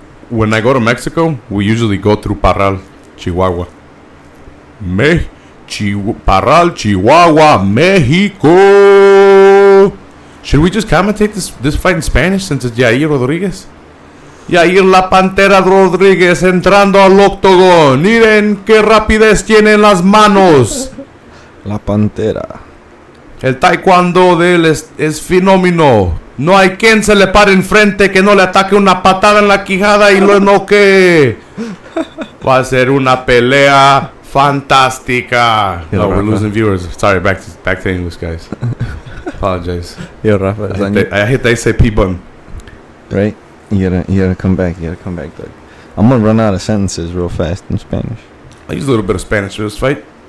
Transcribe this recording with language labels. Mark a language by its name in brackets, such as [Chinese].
[English] When I go to Mexico, we usually go through Parral, Chihuahua. Parral, Chihuahua, Mexico. Should we just commentate this fight in Spanish since it's Yair Rodriguez? [Spanish] Yair La Pantera Rodriguez entrando al octogón. Miren qué rapidez tienen las manos. La Pantera. El taekwondo de él es fenómeno. No hay quien se le pare enfrente que no le ataque una patada en la quijada y lo enoque. Va a ser una pelea fantástica. [English] Yeah, no, we're losing viewers. Sorry, back to English, guys. Apologize. Yo, Rafa. I hit the SAP button. Right? You gotta come back. You gotta come back, Doug. I'm gonna run out of sentences real fast in Spanish. I use a little bit of Spanish for this fight.